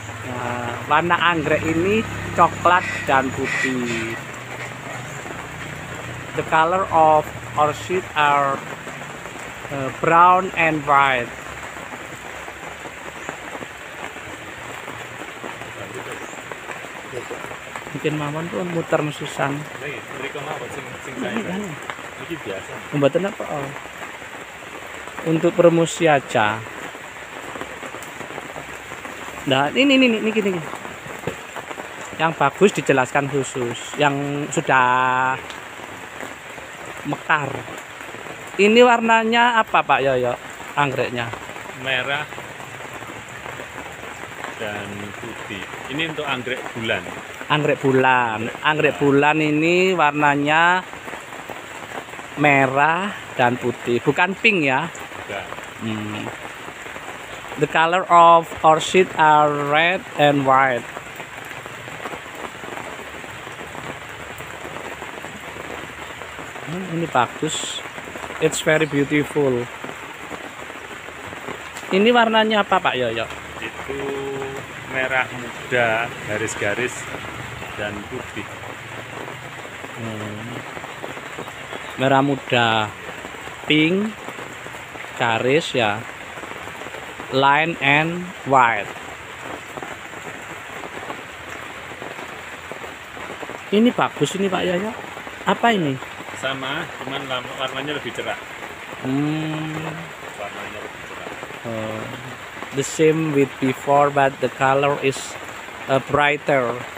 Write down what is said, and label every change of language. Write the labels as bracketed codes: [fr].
[id] Nah, warna anggrek ini coklat dan putih. [en] The color of orchid are brown and white. [id] Mungkin mamon tuh muter mesusan. Ini biasa. Mbak apa? Oh. Untuk promosi aja. Nah, ini. Yang bagus dijelaskan khusus, yang sudah mekar. Ini warnanya apa Pak Yoyo? Anggreknya merah dan putih. Ini untuk anggrek bulan. Anggrek bulan. Anggrek bulan ini warnanya merah dan putih, bukan pink ya. [en] The color of orchid are red and white. [id] Ini bagus. [en] It's very beautiful. [id] Ini warnanya apa Pak Yoyo? Itu merah muda garis-garis dan putih. Merah muda pink garis ya, [en] line and white. [id] Ini bagus ini Pak Yoyo. Apa ini? Sama, cuman warnanya lebih cerah. Warnanya lebih cerah. [en] The same with before, but the color is brighter.